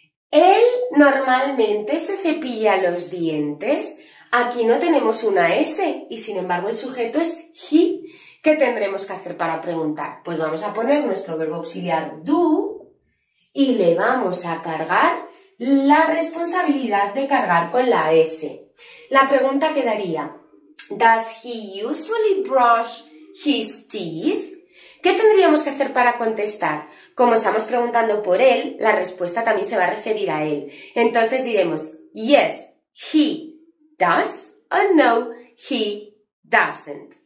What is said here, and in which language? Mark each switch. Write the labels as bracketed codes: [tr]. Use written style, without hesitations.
[es] Él normalmente se cepilla los dientes. Aquí no tenemos una S y sin embargo el sujeto es he. ¿Qué tendremos que hacer para preguntar? Pues vamos a poner nuestro verbo auxiliar do y le vamos a cargar la responsabilidad de cargar con la S. La pregunta quedaría, [en] does he usually brush his teeth? [es] ¿Qué tendríamos que hacer para contestar? Como estamos preguntando por él, la respuesta también se va a referir a él. Entonces diremos, [en] yes, he does, [es] o [en] no, he doesn't.